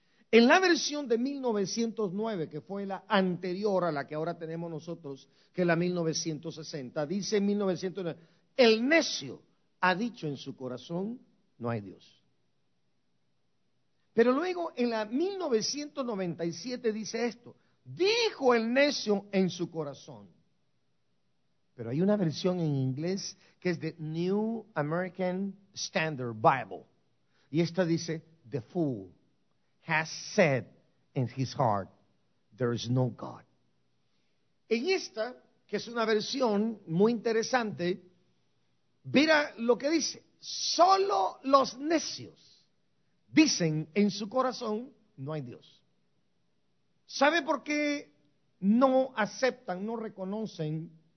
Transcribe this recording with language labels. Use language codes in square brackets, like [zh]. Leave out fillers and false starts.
[es] En la versión de 1909, que fue la anterior a la que ahora tenemos nosotros, que es la 1960, dice en 1909, el necio ha dicho en su corazón, no hay Dios. Pero luego en la 1997 dice esto, dijo el necio en su corazón. Pero hay una versión en inglés que es de New American Standard Bible. Y esta dice, [en] the fool has said in his heart, there is no God. [es] En esta, que es una versión muy interesante, mira lo que dice. Solo los necios dicen en su corazón, no hay Dios. ¿Sabe por qué no aceptan, no reconocen?